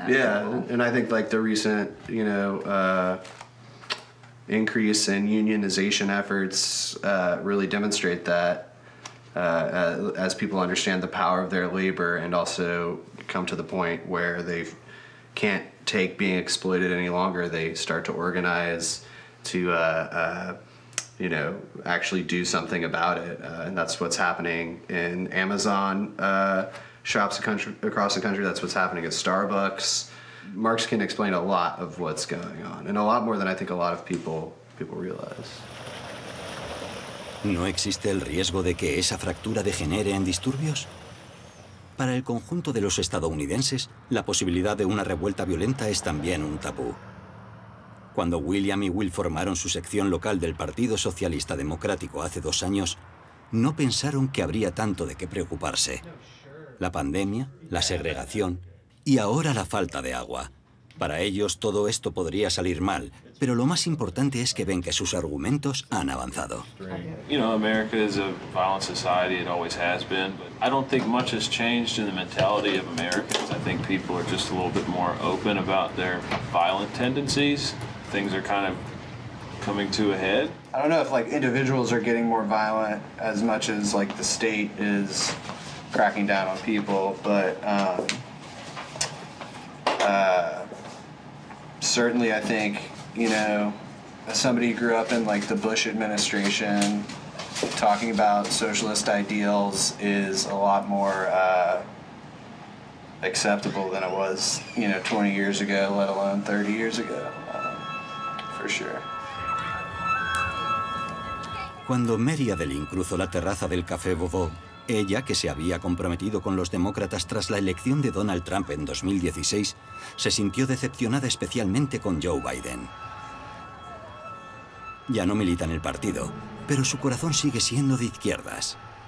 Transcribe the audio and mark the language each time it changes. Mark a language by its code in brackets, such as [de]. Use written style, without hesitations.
[en] And I think like the recent, you know, increase in unionization efforts really demonstrate that as people understand the power of their labor and also come to the point where they can't take being exploited any longer, they start to organize to, you know, actually do something about it. And that's what's happening in Amazon shops across the country. That's what's happening at Starbucks. Marx can explain a lot of what's going on, and a lot more than I think a lot of people realize. [es] ¿No existe el riesgo de que esa fractura degenere en disturbios? Para el conjunto de los estadounidenses, la posibilidad de una revuelta violenta es también un tabú. Cuando William y Will formaron su sección local del Partido Socialista Democrático hace 2 años, no pensaron que habría tanto de qué preocuparse. La pandemia, la segregación y ahora la falta de agua. Para ellos todo esto podría salir mal, pero lo más importante es que ven que sus argumentos han avanzado. [en] You know, America is a violent society, it always has been, but I don't think much has changed in the mentality of Americans. I think people are just a little bit more open about their violent tendencies. Things are kind of coming to a head. I don't know if like individuals are getting more violent as much as like the state is cracking down on people, but certainly, I think, you know, as somebody who grew up in like the Bush administration, talking about socialist ideals is a lot more acceptable than it was, you know, 20 years ago, let alone 30 years ago, for sure. [es] Cuando Mary Adeline cruzó la terraza del Café Vovó, ella, que se había comprometido con los demócratas tras la elección de Donald Trump en 2016, se sintió decepcionada especialmente con Joe Biden. Ya no milita en el partido, pero su corazón sigue siendo de izquierdas.